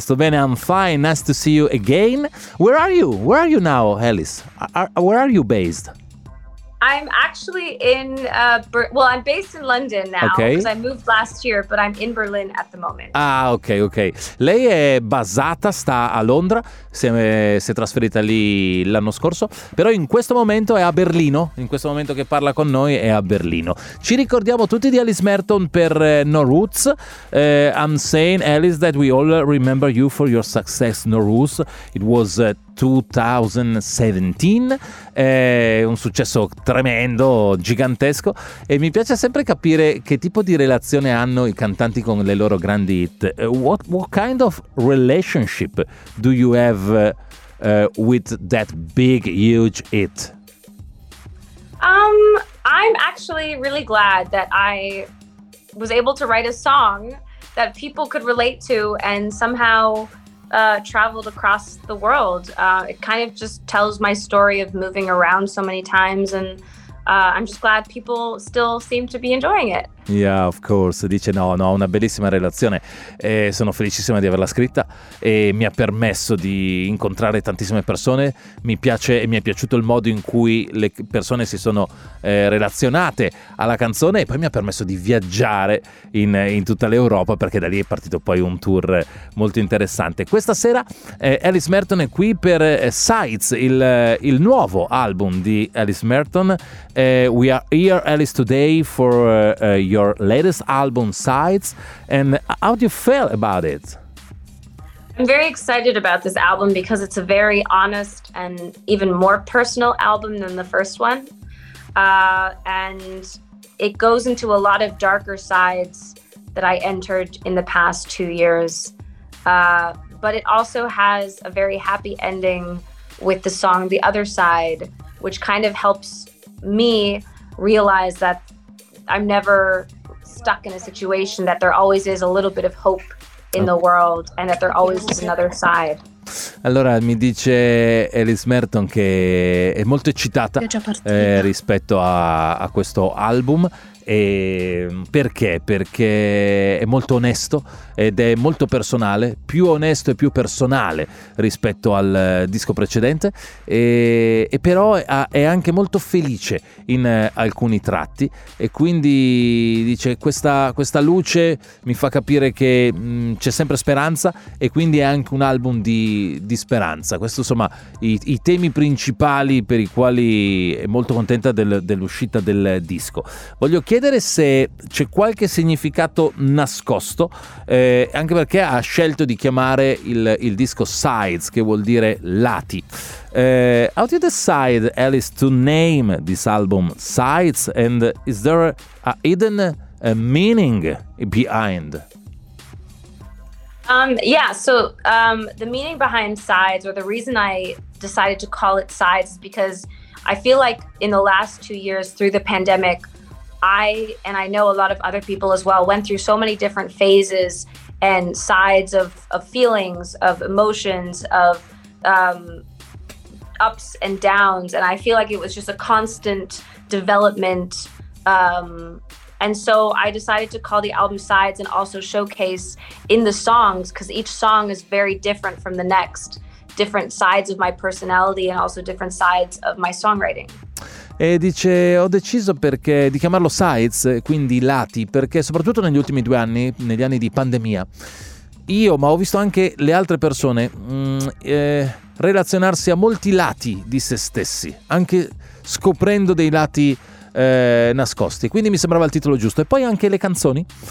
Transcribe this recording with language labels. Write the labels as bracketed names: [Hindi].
[Italian] Sto bene, [English] I'm fine, nice to see you again. Where are you? Where are you now, Alice? Where are you based? I'm actually in, I'm based in London now, because okay. I moved last year, but I'm in Berlin at the moment. Ah, ok. [Italian] Lei è basata, sta a Londra, si è trasferita lì l'anno scorso, però in questo momento è a Berlino, in questo momento che parla con noi è a Berlino. Ci ricordiamo tutti di Alice Merton per No Roots. [English] I'm saying, Alice, that we all remember you for your success, No Roots. It was 2017, [Italian] è un successo tremendo, gigantesco, e mi piace sempre capire che tipo di relazione hanno i cantanti con le loro grandi hit. [English] What kind of relationship do you have with that big huge hit? I'm actually really glad that I was able to write a song that people could relate to and somehow traveled across the world. It kind of just tells my story of moving around so many times, and I'm just glad people still seem to be enjoying it. Yeah, of course. [Italian] Dice no, una bellissima relazione. Sono felicissima di averla scritta e mi ha permesso di incontrare tantissime persone. Mi piace e mi è piaciuto il modo in cui le persone si sono relazionate alla canzone, e poi mi ha permesso di viaggiare in tutta l'Europa, perché da lì è partito poi un tour molto interessante. Questa sera Alice Merton è qui per Sides, il nuovo album di Alice Merton. [English] We are here, Alice, today for your latest album, Sides. And how do you feel about it? I'm very excited about this album because it's a very honest and even more personal album than the first one. And it goes into a lot of darker sides that I entered in the past 2 years. But it also has a very happy ending with the song The Other Side, which kind of helps me realize that I'm never stuck in a situation, that there always is a little bit of hope in the world, and that there always is another side. [Italian] Allora mi dice Alice Merton che è molto eccitata rispetto a questo album. E perché? Perché è molto onesto ed è molto personale, più onesto e più personale rispetto al disco precedente, e però è anche molto felice in alcuni tratti, e quindi dice questa luce mi fa capire che c'è sempre speranza, e quindi è anche un album di speranza. Questo, insomma, i temi principali per i quali è molto contenta dell'uscita del disco. Voglio chiedere se c'è qualche significato nascosto, anche perché ha scelto di chiamare il disco Sides, che vuol dire lati. [English] How do you decide, Alice, to name this album Sides, and is there a hidden meaning behind? The meaning behind Sides, or the reason I decided to call it Sides, is because I feel like in the last 2 years through the pandemic, I, and I know a lot of other people as well, went through so many different phases and sides of feelings, of emotions, of ups and downs. And I feel like it was just a constant development. And so I decided to call the album Sides, and also showcase in the songs, because each song is very different from the next, different sides of my personality and also different sides of my songwriting. [Italian] E dice, ho deciso perché di chiamarlo Sides, quindi lati, perché soprattutto negli ultimi 2 anni, negli anni di pandemia, io, ma ho visto anche le altre persone, relazionarsi a molti lati di se stessi, anche scoprendo dei lati nascosti. Quindi mi sembrava il titolo giusto. E poi anche le canzoni